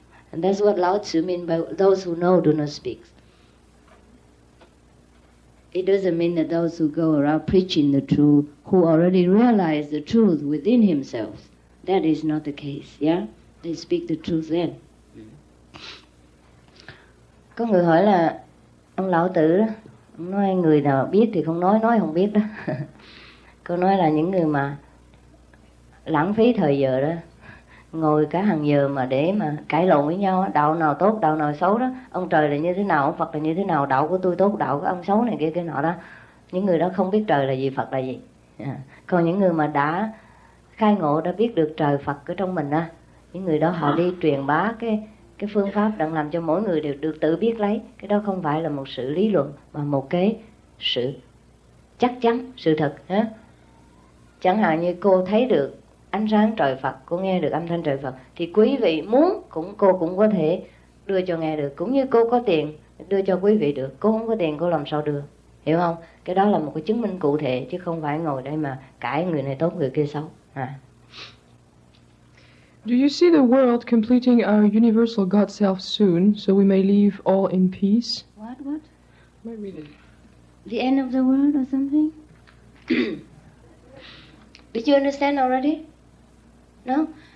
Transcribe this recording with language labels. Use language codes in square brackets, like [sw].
[en] And that's what Lao Tzu means by those who know do not speak. It doesn't mean that those who go around preaching the truth, who already realize the truth within himself, that is not the case, yeah? They speak the truth then. [vi] Có người hỏi là, ông Lão Tử đó, ông nói người nào biết thì không nói, nói không biết đó. Cô nói là những người mà lãng phí thời giờ đó, ngồi cả hàng giờ mà để mà cãi lộn với nhau, đạo nào tốt, đạo nào xấu đó, ông trời là như thế nào, ông Phật là như thế nào, đạo của tôi tốt, đạo của ông xấu này kia kia nọ đó, những người đó không biết trời là gì, Phật là gì. Còn những người mà đã khai ngộ, đã biết được trời Phật ở trong mình á, những người đó họ đi truyền bá cái phương pháp đang làm cho mỗi người đều được tự biết lấy, cái đó không phải là một sự lý luận mà một cái sự chắc chắn, sự thật. Chẳng hạn như cô thấy được ánh sáng trời Phật, cô nghe được âm thanh trời Phật, thì quý vị muốn cũng cô cũng có thể đưa cho nghe được, cũng như cô có tiền đưa cho quý vị được, cô không có tiền cô làm sao đưa, hiểu không? Cái đó là một cái chứng minh cụ thể, chứ không phải ngồi đây mà cãi người này tốt người kia xấu. [en] Do you see the world completing our universal God self soon, so we may leave all in peace? What? The end of the world or something? Did you understand already? No?